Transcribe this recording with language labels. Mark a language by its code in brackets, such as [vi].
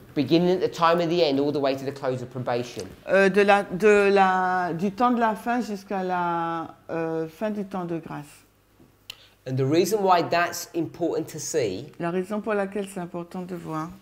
[en] Beginning at the time of the end, all the way to the close of probation. [fr] Du temps de la fin jusqu'à la fin du temps de grâce. [en] And the reason why that's important to see. [fr] La raison pour laquelle c'est important de voir.